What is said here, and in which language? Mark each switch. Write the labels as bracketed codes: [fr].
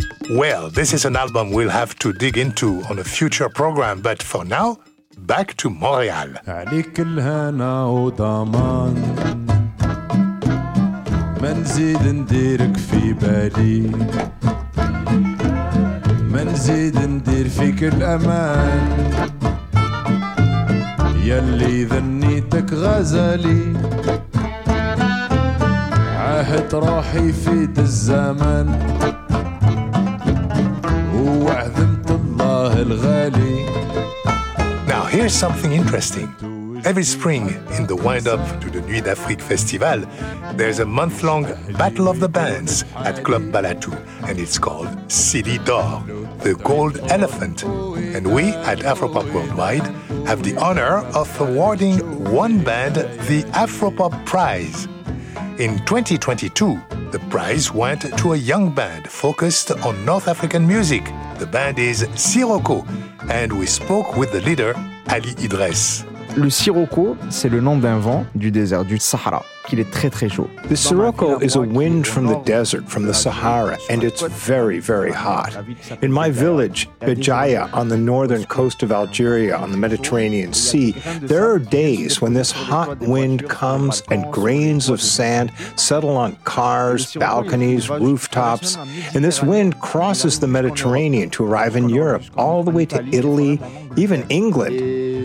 [en] Well, this is an album we'll have to dig into on a future program, but for now, back to Montreal. [ar] عليك الهنا وضمان ما نزيد نديرك في بالي ما نزيد ندير فيك الأمان يلي ذنيتك غزالي عهد روحي في الزمان وعذبت الله الغالي. [en] Now here's something interesting. Every spring, in the wind-up to the Nuit d'Afrique Festival, there's a month-long Battle of the Bands at Club Balatou, and it's called Sidi Dor, the Gold Elephant. And we, at Afropop Worldwide, have the honor of awarding one band the Afropop Prize. In 2022, the prize went to a young band focused on North African music. The band is Sirocco, and we spoke with the leader, Ali Idriss. [fr] Le Sirocco, c'est le nom d'un vent du désert, du Sahara, qu'il est très très chaud. [en] The Sirocco is a wind from the desert, from the Sahara, and it's very, very hot. In my village, Bejaia, on the northern coast of Algeria, on the Mediterranean Sea, there are days when this hot wind comes and grains of sand settle on cars, balconies, rooftops, and this wind crosses the Mediterranean to arrive in Europe, all the way to Italy, even England.